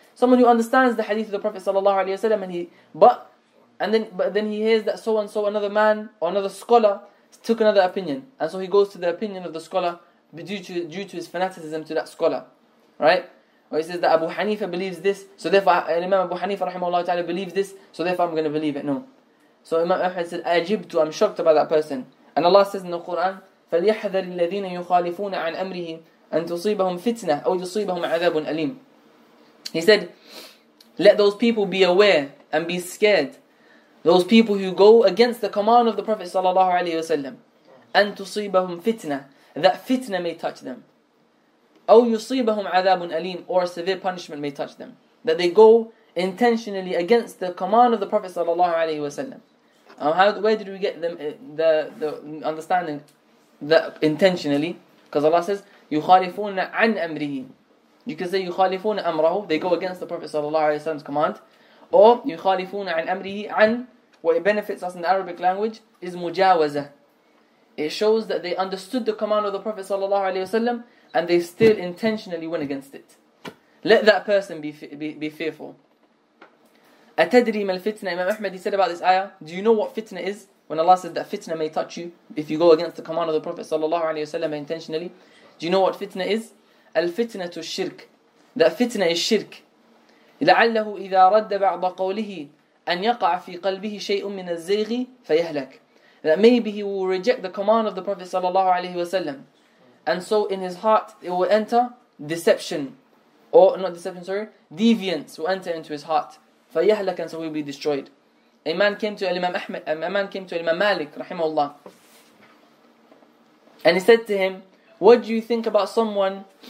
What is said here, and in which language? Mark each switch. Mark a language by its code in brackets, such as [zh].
[en] Someone who understands the hadith of the Prophet sallallahu alaihi wasallam, and then he hears that so and so, another man or another scholar, took another opinion, and so he goes to the opinion of the scholar due to his fanaticism to that scholar, right? Or he says that Abu Hanifa believes this, so therefore Imam Abu Hanifa rahimahullah ta'ala believes this, so therefore I'm going to believe it. No. So Imam Ahmad said, أَجِبْتُ, I'm shocked about that person. And Allah says in the Quran, [ar] فَلْيَحْذَرِ الَّذِينَ يُخَالِفُونَ عَنْ أَمْرِهِ أَنْ تُصِيبَهُمْ فِتْنَةً أَوْ يُصِيبَهُمْ عَذَابٌ أَلِيمٌ. [en] He said, let those people be aware and be scared. Those people who go against the command of the Prophet sallallahu alayhi wasallam, [ar] أَنْ تُصِيبَهُمْ فِتْنَةً, [en] that fitna may touch them. [ar] أَوْ يُصِيبَهُمْ عَذَابٌ أَلِيمٌ, [en] or a severe punishment may touch them. That they go intentionally against the command of the Prophet sallallahu alaihi wasallam. Where did we get the understanding that intentionally? Because Allah says, [ar] يُخَالِفُونَ عَنْ أَمْرِهِ. [en] You can say [ar] يُخَالِفُونَ أَمْرَهُ, [en] they go against the Prophet sallallahu alaihi wasallam's command. Or [ar] يُخَالِفُونَ عَنْ أَمْرِهِ, [en] عَنْ, what it benefits us in the Arabic language is مُجَاوَزَة. It shows that they understood the command of the Prophet sallallahu alaihi wasallam, and they still intentionally went against it. Let that person be fearful. [ar] أتدري ما الفتنة? [en] Imam Ahmad, he said about this ayah. Do you know what fitna is? When Allah said that fitna may touch you if you go against the command of the Prophet sallallahu alaihi wasallam intentionally. Do you know what fitna is? [ar] الفتنة الشرك. [en] That fitna is shirk. [ar] لعله إذا رد بعض قوله أن يقع في قلبه شيء من الزيغ فيهلك. [en] That maybe he will reject the command of the Prophet sallallahu alaihi wasallam, and so in his heart it will enter deception, or not deception, sorry, deviance will enter into his heart. [ar] فيهلك, [en] and so he will be destroyed. A man came to Imam Ahmed, a man came to Imam Malik rahimahullah, and he said to him, "What do you think about someone?